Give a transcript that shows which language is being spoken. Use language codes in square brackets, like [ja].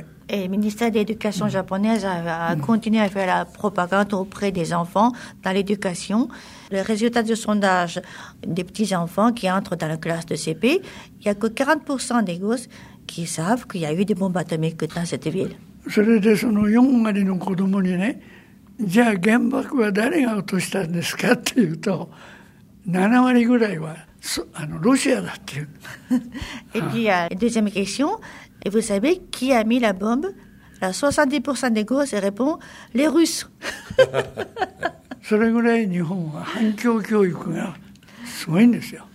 [fr] Et le ministère de l'éducation japonaise a continué à faire la propagande auprès des enfants dans l'éducation. Le résultat du sondage des petits-enfants qui entrent dans la classe de CP, il n'y a que 40% des gosses qui savent qu'il y a eu des bombes atomiques dans cette ville. [ja] それでその4割の子供にね、じゃあ原爆は誰が落としたんですかっていうと、7割ぐらいはロシアだっていう。 [fr] Et puis, la deuxième question, et vous savez qui a mis la bombe? La 70% des gosses répond, les Russes. [ja] それぐらい日本は反共教育がすごいんですよ。